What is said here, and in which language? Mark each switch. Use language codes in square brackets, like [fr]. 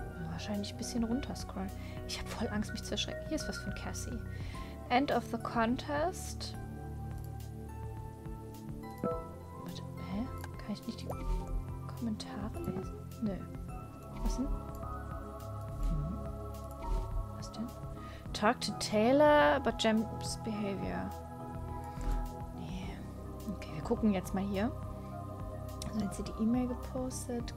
[de] Wahrscheinlich ein bisschen runterscrollen. Ich habe voll Angst, mich zu erschrecken. Hier ist was von Cassie. [en] End of the contest. [de] Warte, hä? Kann ich nicht die Kommentare lesen? Nö. Was denn? Was denn? [en] Talk to Taylor about Jem's behavior. [de] Nee. Okay, wir gucken jetzt mal hier. Also hat sie die E-Mail gepostet.